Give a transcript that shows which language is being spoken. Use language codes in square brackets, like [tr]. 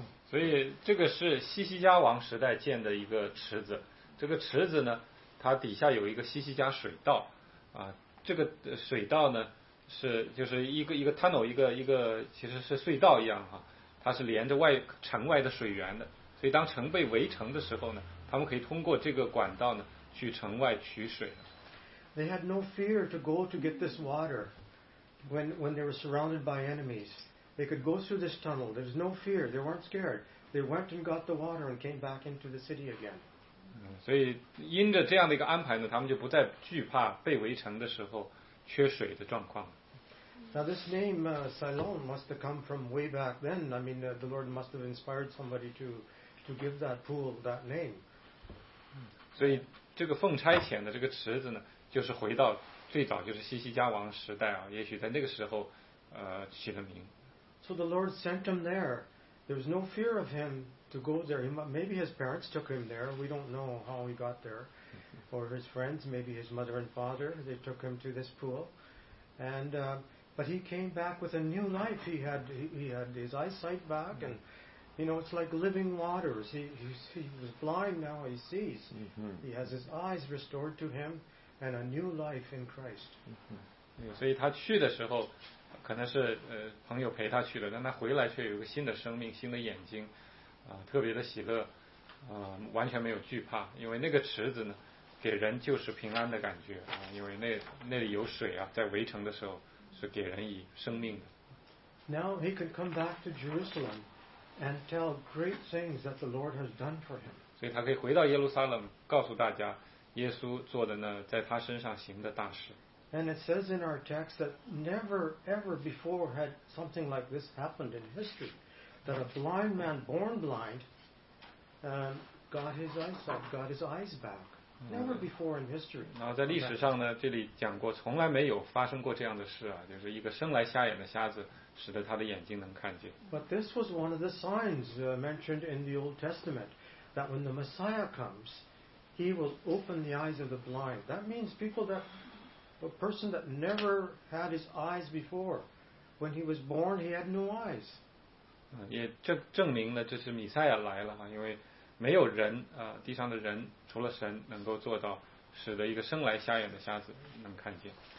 [en] So, this is Hezekiah King's time to build a pool. This pool, there is a water channel underneath. This water channel is like a tunnel, like a tunnel. It's connected to the water channel. [zh] 所以当城被围城的时候呢，他们可以通过这个管道呢去城外取水。 [en] They had no fear to go to get this water when they were surrounded by enemies. They could go through this tunnel. There's no fear. They weren't scared. They went and got the water and came back into the city again. [zh] 所以因着这样的一个安排呢，他们就不再惧怕被围城的时候缺水的状况。 [en] Now this name Siloam must have come from way back then. I mean, the Lord must have inspired somebody to give that pool that name. [zh] 所以这个奉差遣的这个池子呢，就是回到最早就是西西家王时代啊，也许在那个时候起了名。 [en] So the Lord sent him there. There was no fear of him to go there. Maybe his parents took him there. We don't know how he got there. Or his friends, maybe his mother and father, they took him to this pool. But he came back with a new life. He had his eyesight back and you know, it's like living waters. He was blind, now he sees. Mm-hmm. He has his eyes restored to him and a new life in Christ. So he went to the time, maybe his friends took him, but when he came back, he had a new life, new eyes, very happy, completely no fear, because that pool gives people a feeling of peace, because there is water, and when the city is surrounded, it gives people life. Now he can come back to Jerusalem and tell great things that the Lord has done for him. [zh] 所以他可以回到耶路撒冷，告诉大家耶稣做的呢，在他身上行的大事。 [en] And it says in our text that never ever before had something like this happened in history, that a blind man born blind got his eyesight, got his eyes back. Never before in history. [zh] 然后在历史上呢，这里讲过从来没有发生过这样的事啊，就是一个生来瞎眼的瞎子。 [en] But this was one of the signs mentioned in the Old Testament, that when the Messiah comes, he will open the eyes of the blind. That means a person that never had his eyes before when he was born, he had no eyes. [zh] 也证明了这是弥赛亚来了，因为没有人地上的人除了神能够做到使得一个生来瞎眼的瞎子能看见。